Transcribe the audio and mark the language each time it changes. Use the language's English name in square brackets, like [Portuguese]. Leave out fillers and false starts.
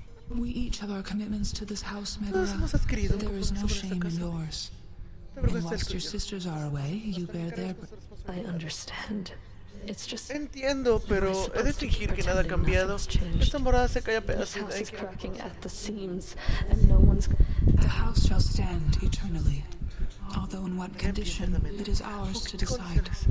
[English] We each have our commitments to this house, Megara. There is no shame in yours. And whilst your sisters are away, you bear their... I understand. It's just... [Spanish] Entiendo, pero he de fingir que nada ha cambiado. Esta morada se cae a pedazos. [English] This house is cracking at the seams, and no one's... The house shall stand eternally. Although in what condition, it is ours to decide.